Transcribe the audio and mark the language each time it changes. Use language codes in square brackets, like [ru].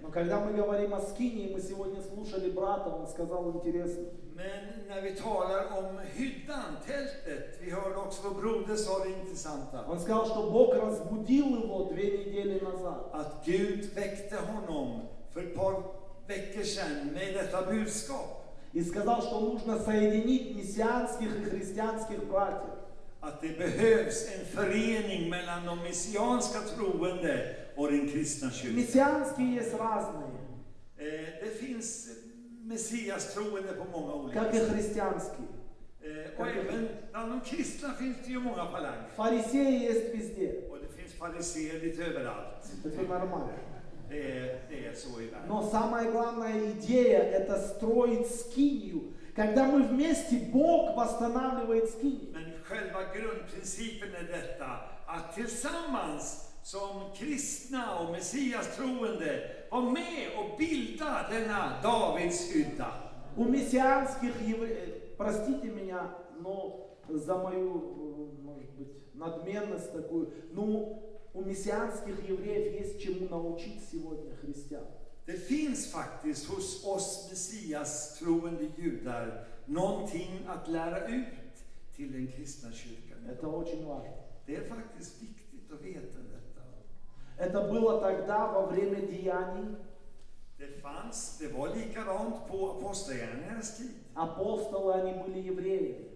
[ru] Но когда мы говорим о скинии, мы сегодня слушали брата, он сказал интересно. [sv] Men när vi talar om hyddan, tältet, vi hörde också vad broder sa det intressanta. [ru] Он сказал, что Бог разбудил его 2 недели назад. [sv] Att Gud väckte honom för ett par veckor sedan med detta budskap. [ru] И сказал, что нужно соединить мессианских и христианских братьев. [sv] Att det behövs en förening mellan de messianska troende och den kristna kyrkan. [ru] Messianski есть разные. [sv] Det finns messias troende på många olika. [ru] Как и христианский. [sv] Och även bland de kristna finns det ju många falanger. [ru] Фарисеи есть везде. [sv] Och det finns fariséer lite överallt. Det är normalt. Det är [ru] Но самая главная идея – это строить скинию. Когда мы вместе, Бог восстанавливает скинию. [sv] Men själva grundprincipen är detta, att tillsammans som kristna och messias troende var med och bilda denna Davids hydda. [ru] У мессианских евреев, простите меня, но за мою, может быть, надменность такую, ну, у мессианских евреев есть чему научить сегодня христиан. [sv] Det finns faktiskt hos oss messias troende judar någonting att lära ut till den kristna kyrkan. [ru] Это очень важно. [sv] Det är faktiskt viktigt att veta detta. [ru] Это было тогда во время деяний. [sv] Det fanns, det var likadant på apostlagärningarnas tid. [ru] Апостолы, они были евреи.